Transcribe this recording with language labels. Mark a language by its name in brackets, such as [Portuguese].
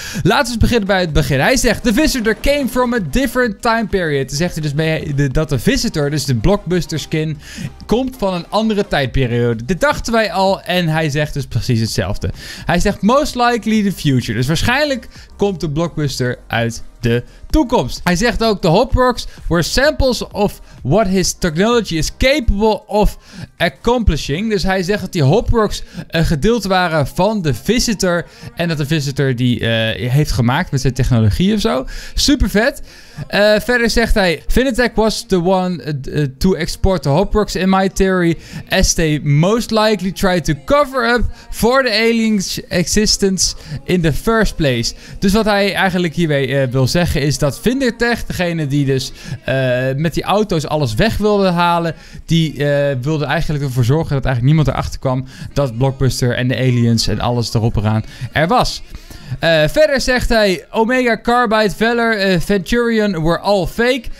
[Dutch] Laten we eens beginnen bij het begin. Hij zegt, [English] the visitor came from a different time period. [Dutch] Dan zegt hij dus mee dat de visitor, dus de blockbuster skin, komt van een andere tijdperiode. Dit dachten wij al en hij zegt dus precies hetzelfde. Hij zegt, [English] most likely the future. [Dutch] Dus waarschijnlijk komt de blockbuster uit de toekomst. Hij zegt ook, [English] the Hoprocks were samples of what his technology is capable of accomplishing. [Dutch] Dus hij zegt dat die Hoprocks een gedeelte waren van de visitor. En dat de visitor die heeft gemaakt met zijn technologie of zo. Super vet. Verder zegt hij, [English] Finitech was the one to export the Hoprocks in my theory. As they most likely tried to cover up for the alien's existence in the first place. [Dutch] Dus wat hij eigenlijk hiermee wil zeggen is dat Finitech, degene die dus met die auto's alles weg wilde halen, die wilde eigenlijk ervoor zorgen dat eigenlijk niemand erachter kwam dat Blockbuster en de aliens en alles erop eraan er was. Verder zegt hij, Omega Carbide, Valor, Venturian [English] were all fake.